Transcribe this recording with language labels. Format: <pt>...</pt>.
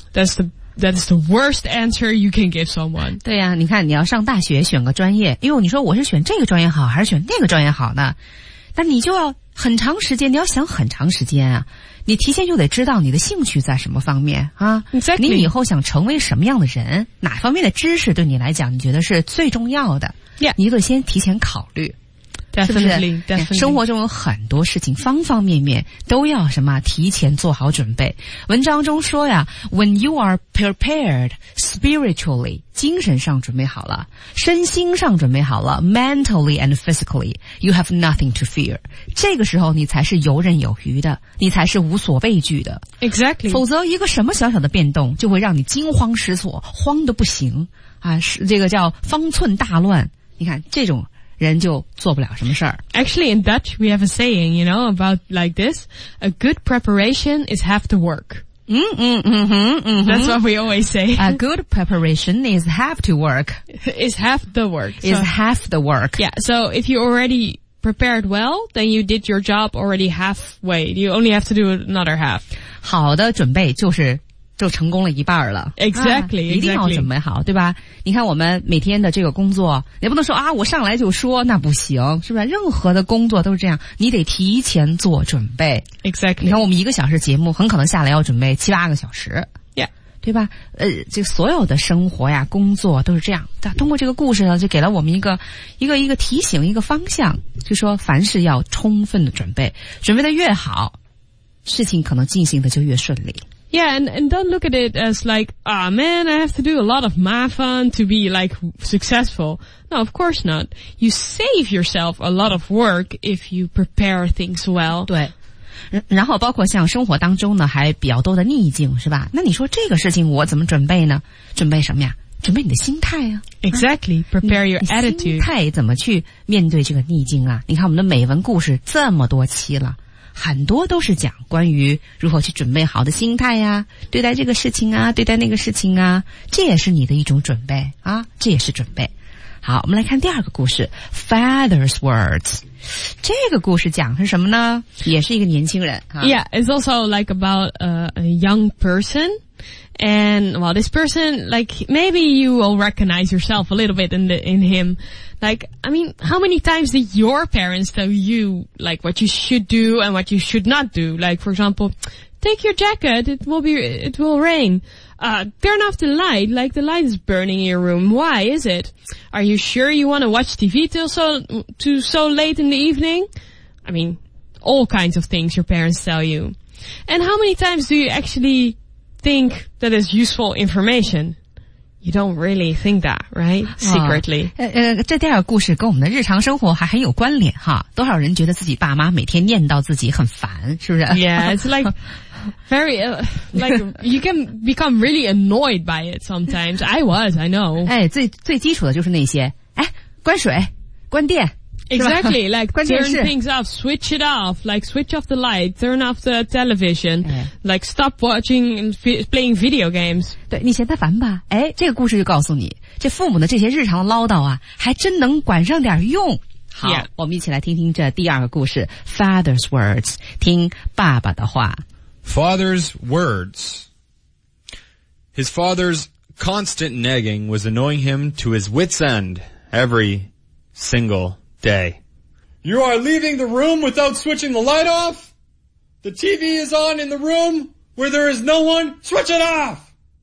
<en>That's the worst answer you can give someone.</en> <zh>对呀，你看你要上大学选个专业，哎呦，你说我是选这个专业好还是选那个专业好呢？但你就要很长时间，你要想很长时间啊，你提前就得知道你的兴趣在什么方面啊。</zh> <en>Exactly.</en> <zh>你以后想成为什么样的人，哪方面的知识对你来讲你觉得是最重要的。</zh> <en>Yeah.</en> <zh>你就得先提前考虑。</zh> <en>Definitely.</en> <zh>生活中有很多事情方方面面都要什么提前做好准备。文章中说呀，</zh> <en>When you are prepared spiritually,</en> <zh>精神上准备好了，身心上准备好了，</zh> <en>mentally and physically, you have nothing to fear.</en> <zh>这个时候你才是游刃有余的，你才是无所畏惧的。</zh> <en>Exactly.</en> <zh>否则一个什么小小的变动就会让你惊慌失措，慌得不行啊，是这个叫方寸大乱。你看这种人就做不了什么事儿。</zh> <en>Actually, in Dutch, we have a saying, you know, about like this. A good preparation is half the work. That's what we always say. A good preparation is half to work. Is half the work. Is so, half the work. Yeah, so if you already prepared well, then you did your job already halfway. You only have to do another half.</en> <zh>好的准备就是就成功了一半了。</zh> <en>Exactly,</en> <zh>一定要准备好，对吧？你看我们每天的这个工作，也不能说啊，我上来就说，那不行，是不是？任何的工作都是这样，你得提前做准备。</zh> <en>Exactly.</en> <zh>你看我们一个小时节目，很可能下来要准备七八个小时。</zh> <en>Yeah.</en> <zh>对吧？这所有的生活呀，工作都是这样。通过这个故事呢，就给了我们一个提醒，一个方向，就说凡事要充分的准备，准备的越好，事情可能进行的就越顺利。</zh> <en>Yeah, and don't look at it as like, ah, man, I have to do a lot of mafan to be like successful. No, of course not. You save yourself a lot of work if you prepare things well.</en> <zh>对，然后包括像生活当中呢，还比较多的逆境，是吧？那你说这个事情我怎么准备呢？准备什么呀？准备你的心态啊。</zh> <en>Exactly, prepare your attitude.</en> <zh>心态怎么去面对这个逆境啊？你看我们的美文故事这么多期了，很多都是讲关于如何去准备好的心态啊，对待这个事情啊，对待那个事情啊，这也是你的一种准备啊，这也是准备。好，我们来看第二个故事 Father's Words。这个故事讲是什么呢？也是一个年轻人、啊、</zh> <en>Yeah, it's also like about a young person. And well, this person, like maybe you will recognize yourself a little bit in him. Like, I mean, how many times did your parents tell you like what you should do and what you should not do? Like for example, take your jacket, it will rain. Turn off the light, like the light is burning in your room. Why is it? Are you sure you want to watch TV till so late in the evening? I mean, all kinds of things your parents tell you. And how many times do you actually think that is useful information? You don't really think that, right? Secretly.</en> <zh>这第二个故事跟我们的日常生活还很有关联哈。多少人觉得自己爸妈每天念叨自己很烦，是不是？</zh> <en>Yeah, it's like... Very, like, you can become really annoyed by it sometimes. I was, I know.</en> <zh>哎，最基础的就是那些，哎，关水，关电。</zh> <en>Exactly, like, turn things off, switch it off, like, switch off the light, turn off the television, like, stop watching and playing video games.</en> <zh>对，你嫌他烦吧？哎，这个故事就告诉你，这父母的这些日常唠叨啊，还真能管上点用。好，</zh> <en>yeah.</en> <zh>我们一起来听听这第二个故事 ,Father's Words, 听爸爸的话。</zh> <en>Father's words. His father's constant nagging was annoying him to his wit's end every single day. You are leaving the room without switching the light off? The TV is on in the room where there is no one? Switch it off!</en>